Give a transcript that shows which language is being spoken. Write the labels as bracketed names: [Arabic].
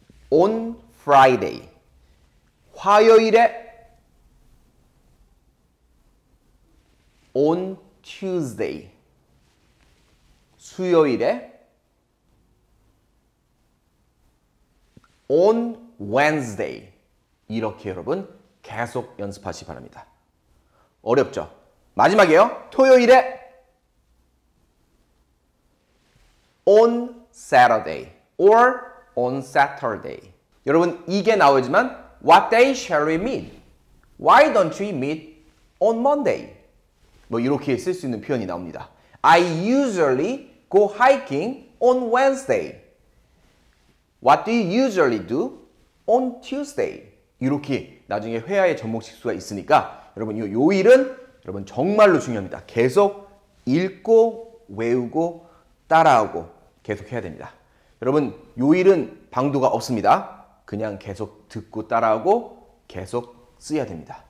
[English] On Friday [Korean] 화요일에 [English] On Tuesday [Korean] 수요일에 [English] On Wednesday [Korean] 이렇게 여러분 계속 연습하시기 바랍니다. 어렵죠? 마지막이에요. 토요일에 [English] On Saturday or on Saturday. [Korean] 여러분 이게 나오지만 [English] What day shall we meet? Why don't we meet on Monday? [Korean] 뭐 이렇게 쓸 수 있는 표현이 나옵니다. [English] I usually go hiking on Wednesday. What do you usually do on Tuesday? [Korean] 이렇게 나중에 회화에 접목시킬 수가 있으니까 여러분 이 요일은 여러분 정말로 중요합니다. 계속 읽고 외우고 따라하고 계속 해야 됩니다. 여러분 요일은 방도가 없습니다. 그냥 계속 듣고 따라하고 계속 써야 됩니다.